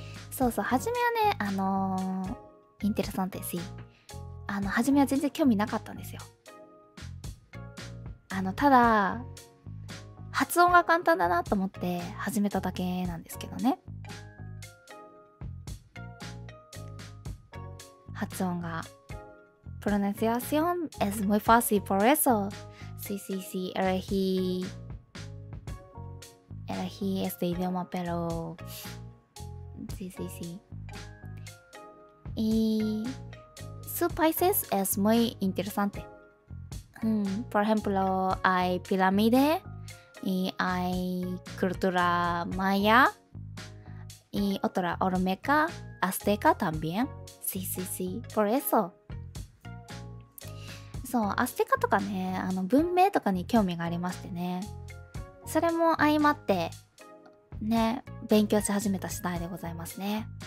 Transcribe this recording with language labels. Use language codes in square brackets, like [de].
[ja] そうそう、初めはね、 [es] interesante, sí. [ja] 初めは全然興味なかったんですよ。ただ、発音が簡単だなと思って始めただけなんですけどね。発音が [es] Pronunciación es muy fácil por eso Sí, elegí este idioma, pero Sí. Y su países es muy interesante. Por ejemplo, hay pirámide y hay cultura maya y otra olmeca azteca también sí por eso [ja] そう、アステカとかね、文明とかに興味がありましてね、それも相まってね、勉強し始めた次第でございますね。